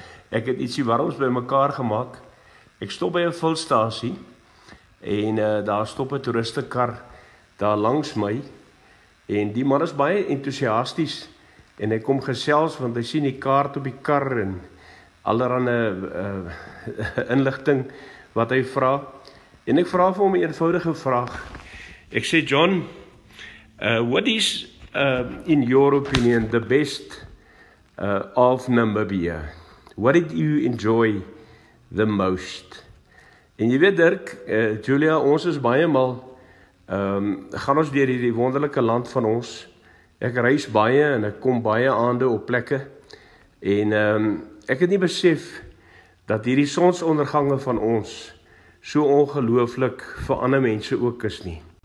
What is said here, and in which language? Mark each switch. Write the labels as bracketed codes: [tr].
[af] Ek het ietsie warms by mekaar gemaak. Ek stop by 'n vulstasie en daar stop 'n toeristekar daar langs my en die man is baie entoesiasties en hy kom gesels want hy sien die kaart op die kar en allerhande inligting wat hy vra. En ek vra vir hom 'n eenvoudige vraag. Ek sê [en] John, what is in your opinion the best of Namibia? What did you enjoy the most? [af] En jy weet Dirk, Julia, ons is baie mal gaan ons deur hierdie wonderlike land van ons. Ek reis baie en ek kom baie aande op plekke en ek het nie besef dat hierdie sonsondergange van ons so ongelooflik vir ander mense ook is nie.